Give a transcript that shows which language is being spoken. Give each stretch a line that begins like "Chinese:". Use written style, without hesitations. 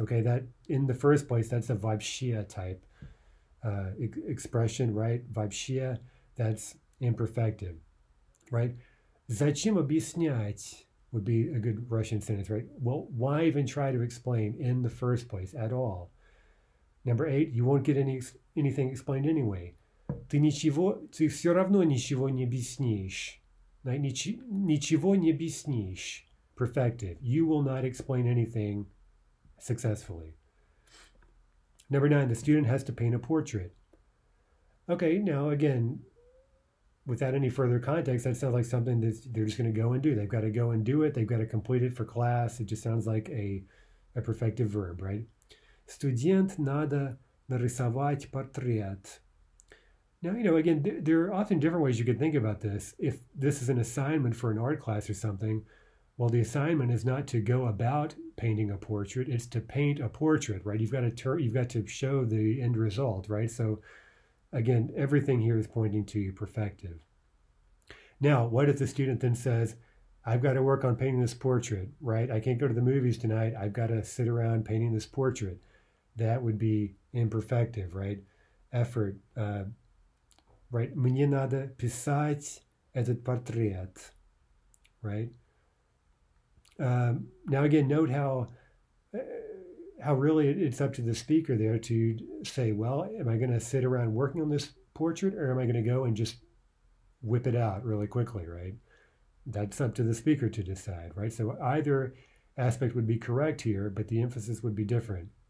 English: Okay, that in the first place, that's a вообще type expression, right? Вообще, that's imperfective, right?
Russian: Зачем объяснять
English: would be a good Russian sentence, right? Well, why even try to explain in the first place at all? Number eight, you won't get anything explained anyway.
Russian: Ты ничего, ты все равно ничего не объяснишь. Ничего не объяснишь.
English: Perfective. You will not explain anything successfully. Number nine, the student has to paint a portrait. Okay, now again, without any further context, that sounds like something that they're just going to go and do. They've got to go and do it. They've got to complete it for class. It just sounds like a perfective verb, right?
Russian: Студент надо нарисовать портрет.
English: Now, you know, again, there are often different ways you could think about this. If this is an assignment for an art class or something, well, the assignment is not to go about painting a portrait, it's to paint a portrait, right? You've got to show the end result, right? So again, everything here is pointing to perfective. Now, what if the student then says, I've got to work on painting this portrait, right? I can't go to the movies tonight. I've got to sit around painting this portrait. That would be imperfective, right? Effort, right?
Russian: Мне надо писать этот портрет,
English: right? Now again, note how really it's up to the speaker there to say, well, am I going to sit around working on this portrait or am I going to go and just whip it out really quickly, right? That's up to the speaker to decide, right? So either aspect would be correct here, but the emphasis would be different.